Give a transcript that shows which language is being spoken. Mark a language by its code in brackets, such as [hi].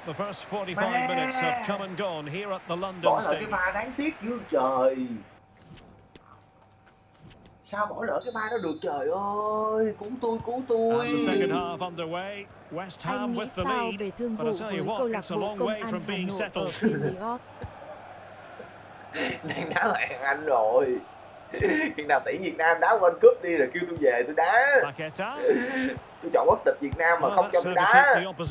[en] The first 45 minutes have come and gone here at the London Stadium. [vi] Bỏ lỡ cái pha đáng tiếc như trời. Sao bỏ lỡ cái pha đó được, trời ơi, cứu tôi [en] And the second half underway. West Ham [vi] anh [en] with the lead. [vi] Về thương vụ [en] but I'll tell you what, it's a long way from being settled. [vi] Đang đá lại thằng Anh rồi. Khi nào tỷ Việt Nam đá World Cup đi rồi kêu tôi về tôi đá. Tôi chọn quốc tịch Việt Nam mà không cho tôi đá.